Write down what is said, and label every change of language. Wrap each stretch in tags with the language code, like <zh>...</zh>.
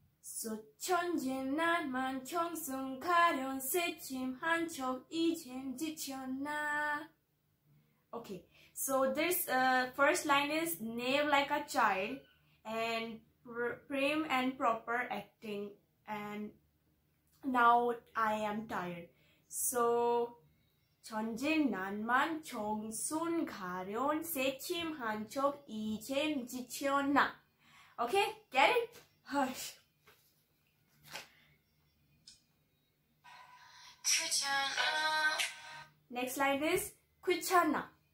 <ko>So 천진 난만 청순 가련 새침 한척 이젠 지쳤나.</ko> <en>Okay, so this first line is name like a child and prim and proper acting, and now I am tired.</en> <ko>So 천진 난만 청순 가련 새침 한척 이젠 지쳤나.</ko> <en>Okay, get it? Hush.</en> <ko>귀찮아.</ko> <en>Next line is</en> <ko>귀찮아.</ko>